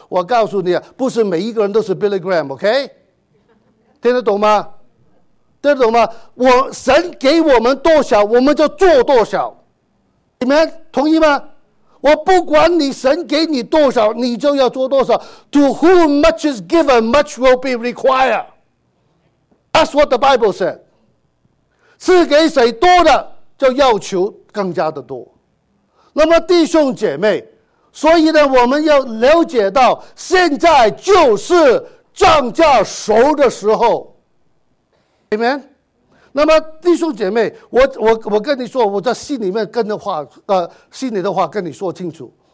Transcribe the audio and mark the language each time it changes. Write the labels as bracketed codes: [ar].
[zh] 我告诉你，不是每一个人都是 Billy Graham， OK， 听得懂吗？听得懂吗？我神给我们多少我们就做多少，你们同意吗？我不管你神给你多少，你就要做多少。 [en] To whom much is given, much will be required. That's what the Bible said. [zh] 赐给谁多的，就要求更加的多。那么弟兄姐妹，所以呢，我们要了解到，现在就是涨价熟的时候。 [en] Amen。 [zh] 那么弟兄姐妹，我跟你说，我在心里面跟的话，心里的话跟你说清楚。